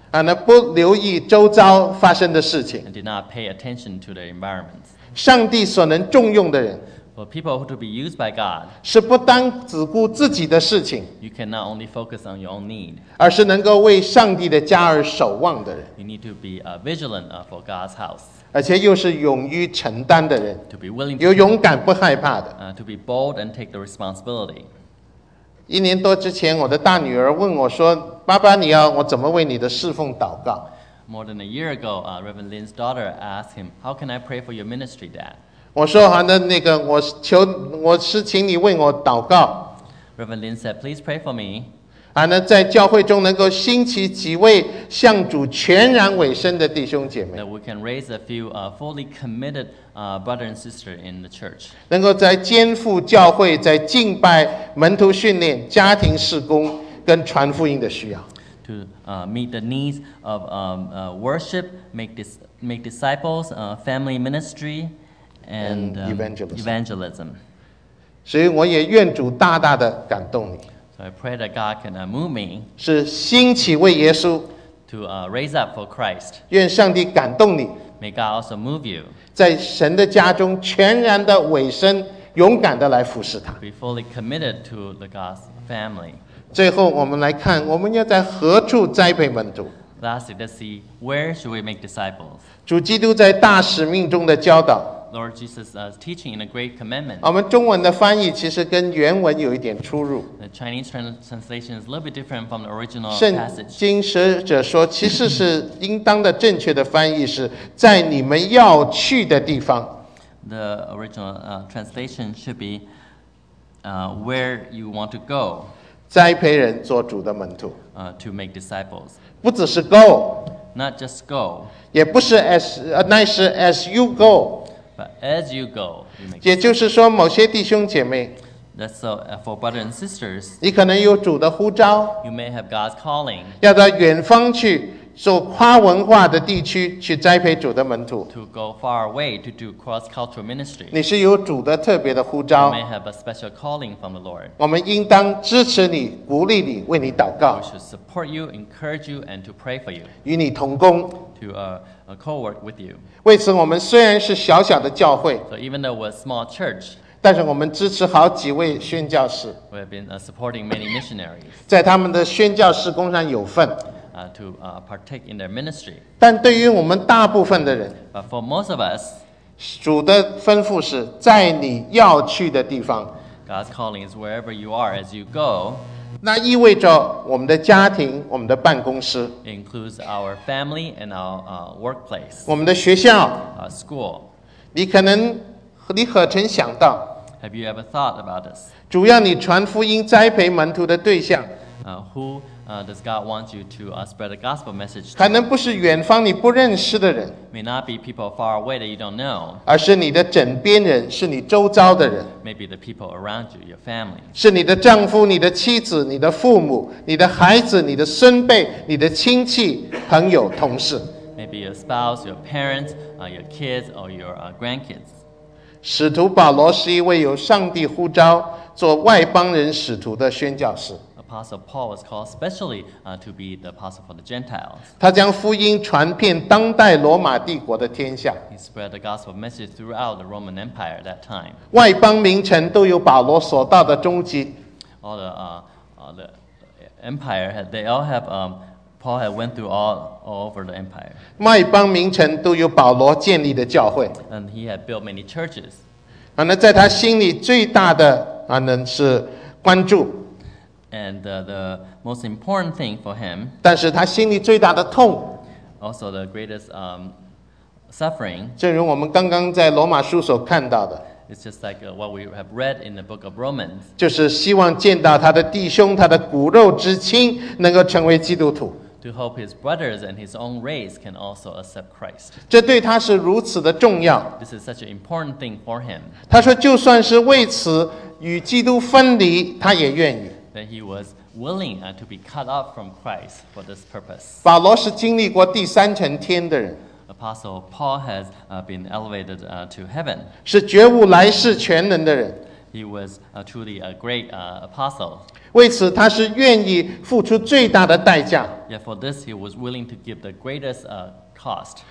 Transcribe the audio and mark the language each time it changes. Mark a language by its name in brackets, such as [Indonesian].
[Chinese] 那不留意周遭发生的事情 [English] ，and did not pay attention to the environment. [Chinese] 上帝所能重用的人 [English] ，for people who to be used by God, [Chinese] 是不单只顾自己的事情 [English] ，you can not only focus on your own need, [Chinese] 而是能够为上帝的家而守望的人 [English] ，you need to be vigilant for God's house. [Chinese] 而且又是勇于承担的人 [English] to be willing to [Chinese] 有勇敢不害怕的 [English] to be bold and take the responsibility. [Chinese] 一年多之前我的大女儿问我说爸爸你要我怎么为你的侍奉祷告 [English] More than a year ago, Reverend Lin's daughter asked him How can I pray for your ministry, Dad? [Chinese] 我说那个我是请你为我祷告 [English] Reverend Lin said, please pray for me [Chinese] 在教会中能够兴起几位向主全然委身的弟兄姐妹 [English] that we can raise a few fully committed brother and sister in the church [Chinese] 能够在肩负教会在敬拜门徒训练家庭事工跟传福音的需要 [English] to meet the needs of worship make disciples family ministry and evangelism [Chinese] 所以我也愿主大大的感动你 [English] I pray that God can move me [Chinese] 是兴起为耶稣 [English] to raise up for Christ. [Chinese] 愿上帝感动你 [English] May God also move you. [Chinese] 在神的家中全然的委身勇敢的来服侍他 [English] Be fully committed to the God's family. [Chinese] 最后我们来看我们要在何处栽培门徒 [English] Lastly, let's see where should we make disciples. [Chinese] 主基督在大使命中的教导 [English] Lord Jesus is teaching in a great commandment. [Chinese] 我们中文的翻译其实跟原文有一点出入 [English] Chinese translation is a little bit different from the original passage. [Chinese] 圣经学者说，其实是应当的正确的翻译是在你们要去的地方。 [English] The original translation should be where you want to go. [Chinese] 栽培人做主的门徒。 [English] To make disciples. [Chinese] 不只是 [English] go. Not just go. [Chinese] 也不是 乃是 [English] as you go. But as you go, you make disciples. [Chinese] 也就是说，某些弟兄姐妹。 [English] That's so for brothers and sisters. [Chinese] 你可能有主的呼召 [English] You may have God's calling. [Chinese] 要到远方去，做跨文化的地区去栽培主的门徒 [English] To go far away to do cross-cultural ministry. [Chinese] 你是有主的特别的呼召 [English] You may have a special calling from the Lord. [Chinese] 我们应当支持你，鼓励你，为你祷告 [English] We should support you, encourage you, and to pray for you. [Chinese] 与你同工 [English] To co-work with you. [Chinese] 为此，我们虽然是小小的教会 [English] So even though we're a small church. [Chinese] 但是我们支持好几位宣教士 [English] We have been supporting many missionaries [Chinese] 在他们的宣教事工上有份 [English] To partake in their ministry [Chinese] 但对于我们大部分的人 [English] But for most of us [Chinese] 主的吩咐是在你要去的地方 [English] God's calling is wherever you are as you go [Chinese] 那意味着我们的家庭我们的办公室 [English] It includes our family and our workplace [Chinese] 我们的学校 [English] School [Chinese] 你可能你可曾想到 [English] Have you ever thought about this? [Chinese] 主要你传福音栽培门徒的对象 [English] Who does God want you to spread the gospel message to? [Chinese] 可能不是远方你不认识的人 [English] May not be people far away that you don't know [Chinese] 而是你的枕边人是你周遭的人 [English] Maybe the people around you, your family [Chinese] 是你的丈夫你的妻子你的父母你的孩子你的孙辈你的亲戚朋友同事 [English] Maybe your spouse, your parents, your kids or your grandkids [Chinese] 使徒保罗是一位有上帝呼召做外邦人使徒的宣教士。 [English] Apostle Paul was called specially to be the apostle for the Gentiles. [Chinese] 他将福音传遍当代罗马帝国的天下。 [English] He spread the gospel message throughout the Roman Empire at that time. [Chinese] 外邦名城都有保罗所到的踪迹。 [English] All the empire had they all have Paul had went through all over the empire. [Chinese] 外邦名城都有保罗建立的教会。 [English] And he had built many churches. [Chinese] 那在他心里最大的是关注。 [English] And the most important thing for him. [Chinese] 但是他心里最大的痛。 [English] Also the greatest suffering. [Chinese] 正如我们刚刚在罗马书所看到的。 [English] It's just like what we have read in the book of Romans. [Chinese] 就是希望见到他的弟兄，他的骨肉之亲能够成为基督徒。 [English] To hope his brothers and his own race can also accept Christ. [Chinese] 这对他是如此的重要。 [English] This is such an important thing for him. [Chinese] 他说就算是为此与基督分离，他也愿意。 [English] That he was willing to be cut off from Christ for this purpose. [Chinese] 保罗是经历过第三层天的人。 [English] Apostle Paul has been elevated to heaven. [Chinese] 是觉悟来世全能的人。 [English] He was truly a great apostle. [Chinese] 为此他是愿意付出最大的代价。 [English] Yet for this, he was willing to give the greatest cost.